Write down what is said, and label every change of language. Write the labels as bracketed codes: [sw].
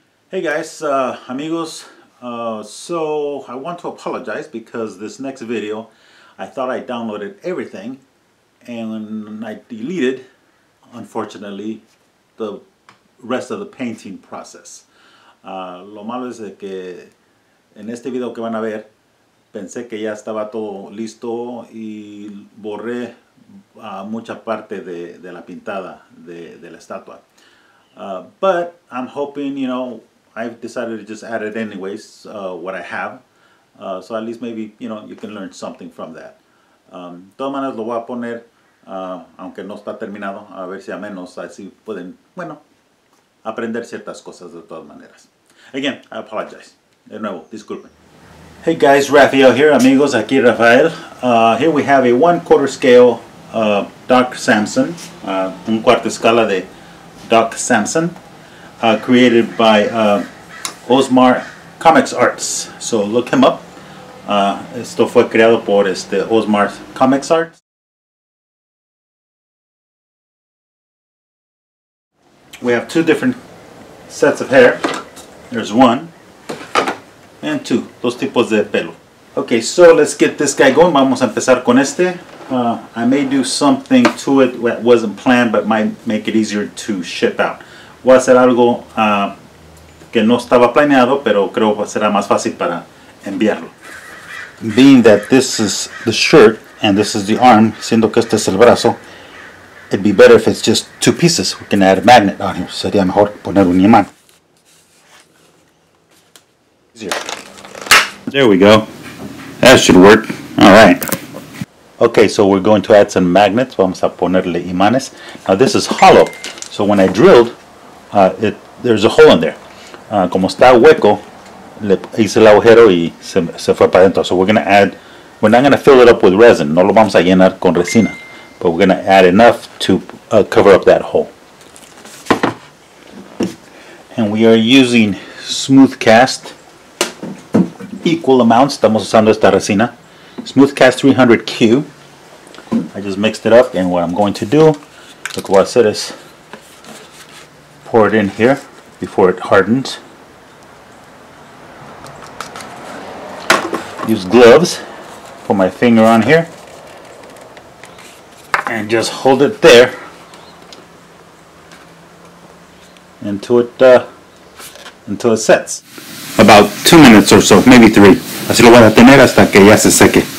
[en] Hey guys, amigos, so I want to apologize because this next video, I thought I downloaded everything and I deleted, unfortunately, the rest of the painting process. [es] Lo malo es que en este video que van a ver, pensé que ya estaba todo listo y borré mucha parte de la pintada de la estatua. [en] But I'm hoping, you know, I've decided to just add it anyways, what I have. So at least maybe, you know, you can learn something from that. [es] Todas maneras lo voy a poner, aunque no está terminado, a ver si a menos así pueden, bueno, aprender ciertas cosas de todas maneras. [en] Again, I apologize. [es] De nuevo, disculpen. [en] Hey guys, Rafael here, [es] amigos, aquí Rafael. [en] Here we have a 1/4 scale Doc Samson, [es] un cuarto escala de Doc Samson. [en] Created by Osmar Comics Arts. So look him up. [es] Esto fue creado por Osmar Comics Arts. [en] We have two different sets of hair. There's one and two. [es] Dos tipos de pelo. [en] Okay, so let's get this guy going. [es] Vamos a empezar con este. [en] I may do something to it that wasn't planned but might make it easier to ship out. [es] Voy a hacer algo que no estaba planeado, pero creo que será más fácil para enviarlo. [en] Being that this is the shirt and this is the arm, [es] siendo que este es el brazo, [en] it'd be better if it's just two pieces. We can add a magnet on here. [es] Sería mejor poner un imán. [en] There we go. That should work. All right. Okay, so we're going to add some magnets. [es] Vamos a ponerle imanes. [en] Now this is hollow, so when I drilled, there's a hole in there. [es] Como está hueco, le hice el agujero y se fue para adentro. [en] So we're not going to fill it up with resin. [es] No lo vamos a llenar con resina. [en] But we're going to add enough to cover up that hole. And we are using smooth cast. Equal amounts. [es] Estamos usando esta resina. [en] Smooth cast 300Q. I just mixed it up. And what I'm going to do, look what I said is, pour it in here before it hardens. Use gloves, put my finger on here, and just hold it there until it sets. About 2 minutes or so, maybe 3. [es] Así lo voy a tener hasta que ya se seque.